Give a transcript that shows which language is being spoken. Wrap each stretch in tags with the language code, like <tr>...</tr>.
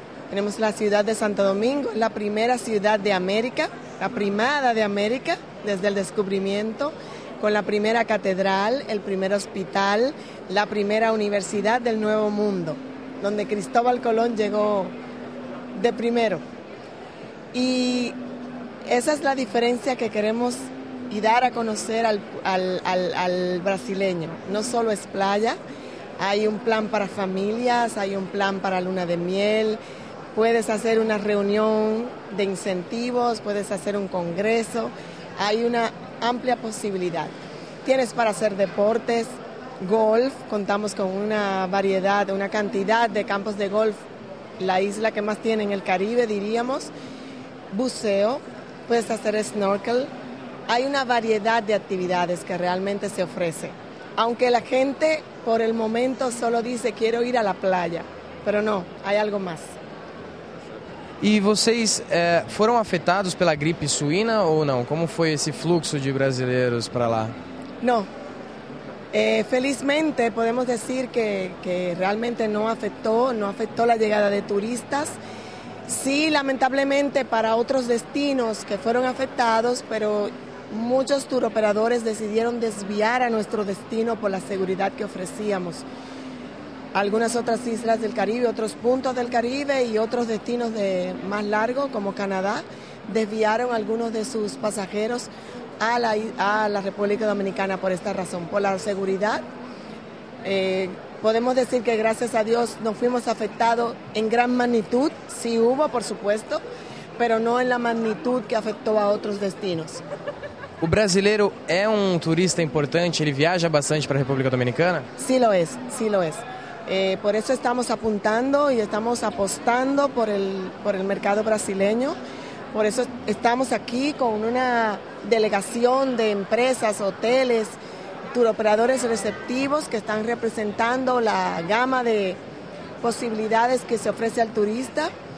<pt>Temos a cidade de Santo Domingo, a primeira cidade de América, a primada de América, desde o descobrimento, com a primeira catedral, o primeiro hospital, a primeira universidade do Novo Mundo, onde Cristóbal Colón chegou de primeiro. E essa é a diferença que queremos e dar a conhecer ao brasileiro. Não só é</pt> <es>playa,</es> <pt>há um plano para famílias, há um plano para</pt> <es>luna de miel. Puedes hacer una reunión de incentivos, puedes hacer un congreso, hay una amplia posibilidad. Tienes para hacer deportes, golf, contamos con una variedad, una cantidad de campos de golf, la isla que más tiene en el Caribe, diríamos, buceo, puedes hacer snorkel, hay una variedad de actividades que realmente se ofrece. Aunque la gente por el momento solo dice quiero ir a la playa, pero no, hay algo más.</es> <pt>E vocês foram afetados pela gripe suína ou não? Como foi esse fluxo de brasileiros para lá? Não. Felizmente, podemos dizer que realmente não afetou a chegada de turistas. Sim, lamentavelmente, para outros destinos que foram afetados, mas muitos turoperadores decidiram desviar a nosso destino por a segurança que oferecíamos.</pt> <es>Algunas otras islas del Caribe, otros puntos del Caribe y otros destinos de más largo, como Canadá, desviaron algunos de sus pasajeros a la República Dominicana por esta razón, por la seguridad. Podemos decir que gracias a Dios nos fuimos afectados en gran magnitud, sí hubo, por supuesto, pero no en la magnitud que afectó a otros destinos.</es> <pt>O brasileiro é un turista importante, ele viaja bastante para a República Dominicana?</pt> <es>Sí lo es, sí lo es. Por eso estamos apuntando y estamos apostando por el mercado brasileño. Por eso estamos aquí con una delegación de empresas, hoteles, turoperadores receptivos que están representando la gama de posibilidades que se ofrece al turista.</es>